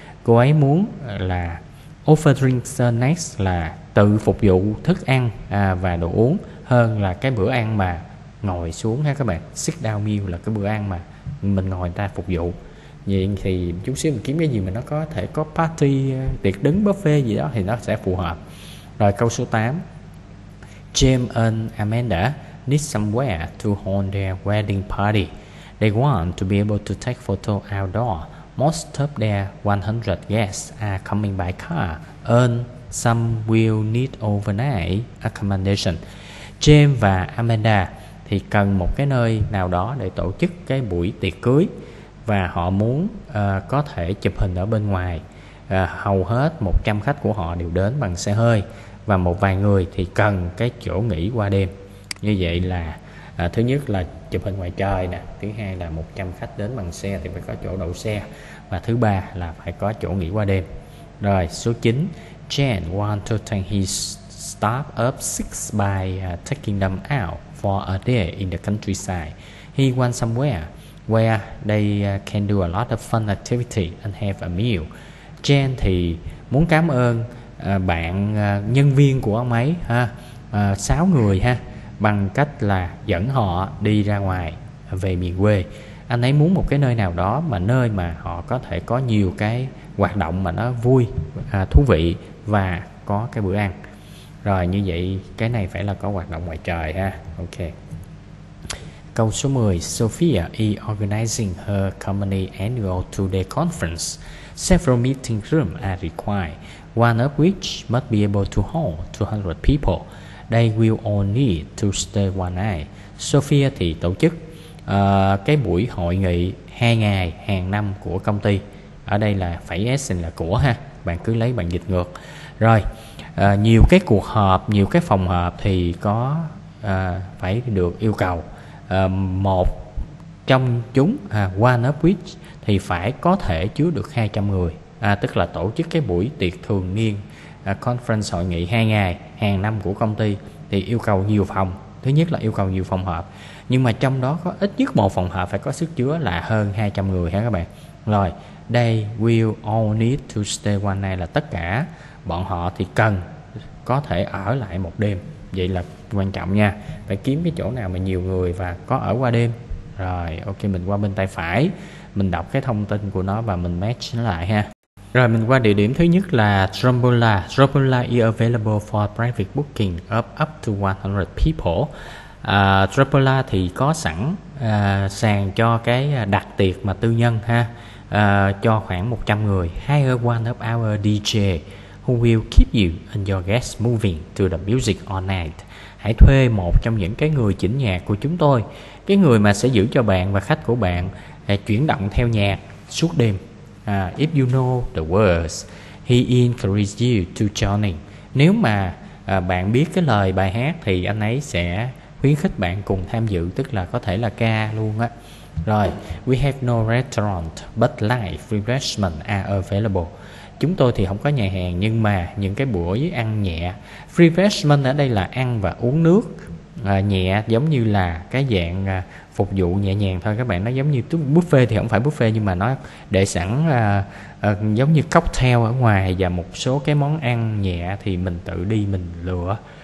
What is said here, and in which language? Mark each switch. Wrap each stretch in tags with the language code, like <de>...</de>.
<vi>Cô ấy muốn là</vi> <en>offer drinks next</en> <vi>là tự phục vụ thức ăn và đồ uống hơn là cái bữa ăn mà ngồi xuống ha các bạn.</vi> <en>Sit down meal</en> <vi>là cái bữa ăn mà mình ngồi người ta phục vụ. Vậy thì chút xíu mình kiếm cái gì mà nó có thể có party, tiệc đứng, buffet gì đó thì nó sẽ phù hợp. Rồi, câu số 8,</vi> <en>James and Amanda need somewhere to hold their wedding party. They want to be able to take photo outdoor. Most of their 100 guests are coming by car and some will need overnight accommodation.</en> <vi>James và Amanda thì cần một cái nơi nào đó để tổ chức cái buổi tiệc cưới và họ muốn có thể chụp hình ở bên ngoài. Hầu hết 100 khách của họ đều đến bằng xe hơi và một vài người thì cần cái chỗ nghỉ qua đêm. Như vậy là thứ nhất là chụp hình ngoài trời nè, thứ hai là 100 khách đến bằng xe thì phải có chỗ đậu xe, và thứ ba là phải có chỗ nghỉ qua đêm. Rồi, số 9,</vi> <en>Jane want to take his staff up 6 by taking them out for a day in the countryside. He wants somewhere where they can do a lot of fun activity and have a meal.</en> <vi>Jane thì muốn cảm ơn bạn nhân viên của ông ấy ha, 6 người ha, bằng cách là dẫn họ đi ra ngoài về miền quê. Anh ấy muốn một cái nơi nào đó mà nơi mà họ có thể có nhiều cái hoạt động mà nó vui, thú vị và có cái bữa ăn. Rồi, như vậy cái này phải là có hoạt động ngoài trời ha.</vi> <en>Ok.</en> <vi>Câu số 10,</vi> <en>Sophia is organizing her company annual two-day conference. Several meeting rooms are required, one of which must be able to hold 200 people. They will all need to stay one night.</en> <vi>Sophia thì tổ chức cái buổi hội nghị 2 ngày hàng năm của công ty. Ở đây là phải essen là của ha. Bạn cứ lấy bạn dịch ngược. Rồi, nhiều cái cuộc họp, nhiều cái phòng họp thì có phải được yêu cầu. Một trong chúng,</vi> <en>one of which,</en> <vi>thì phải có thể chứa được 200 người. Tức là tổ chức cái buổi tiệc thường niên, conference hội nghị 2 ngày hàng năm của công ty thì yêu cầu nhiều phòng. Thứ nhất là yêu cầu nhiều phòng họp, nhưng mà trong đó có ít nhất một phòng họp phải có sức chứa là hơn 200 người ha các bạn. Rồi,</vi> <en>they will all need to stay one night</en> <vi>là tất cả bọn họ thì cần có thể ở lại một đêm. Vậy là quan trọng nha, phải kiếm cái chỗ nào mà nhiều người và có ở qua đêm. Rồi, ok, mình qua bên tay phải, mình đọc cái thông tin của nó và mình match nó lại ha. Rồi, mình qua địa điểm thứ nhất là Trombola.</vi> <en>Trombola is available for private booking of up to 100 people.</en> <vi>Tripola thì có sẵn sàn cho cái đặt tiệc mà tư nhân ha, cho khoảng 100 người.</vi> <en>Hire one of our DJ who will keep you and your guests moving to the music all night.</en> <vi>Hãy thuê một trong những cái người chỉnh nhạc của chúng tôi, cái người mà sẽ giữ cho bạn và khách của bạn chuyển động theo nhạc suốt đêm.</vi> <en>If you know the words, he encourages you to join.</en> <vi>Nếu mà bạn biết cái lời bài hát thì anh ấy sẽ khuyến khích bạn cùng tham dự, tức là có thể là ca luôn á.</vi> <en>Rồi, we have no restaurant, but light refreshments are available.</en> <vi>Chúng tôi thì không có nhà hàng, nhưng mà những cái buổi ăn nhẹ, refreshment ở đây là ăn và uống nước nhẹ, giống như là cái dạng phục vụ nhẹ nhàng thôi các bạn. Nó giống như buffet thì không phải buffet, nhưng mà nó để sẵn giống như cocktail ở ngoài và một số cái món ăn nhẹ thì mình tự đi mình lựa.</vi>